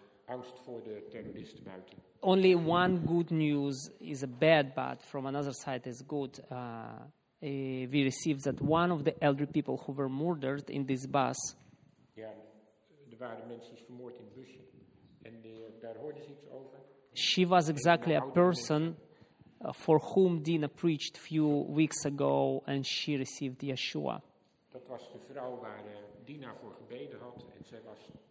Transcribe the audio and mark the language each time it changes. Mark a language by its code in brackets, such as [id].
[nl] Angst voor de terroristen buiten. [en] Only one good news is a bad, but from another side is good. We received that one of the elderly people who were murdered in this bus. [nl] Ja, er waren mensen die vermoord in het busje. En daar hoorde ze iets over. [en] She was exactly a person for whom Dina preached a few weeks ago, and she received Yeshua. [nl] Dat was de vrouw waar Dina voor gebeden had, en zij was.